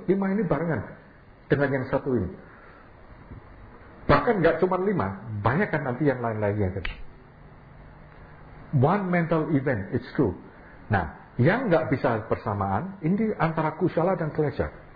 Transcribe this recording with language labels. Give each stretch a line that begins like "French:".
Indonesian: 5 ini barengan dengan yang satu ini. Bahkan enggak cuma 5, banyak kan nanti yang lain-lainnya kan.
English: One mental event, it's true.
Indonesian: Nah, yang enggak bisa bersamaan, ini antara kusala dan klesha.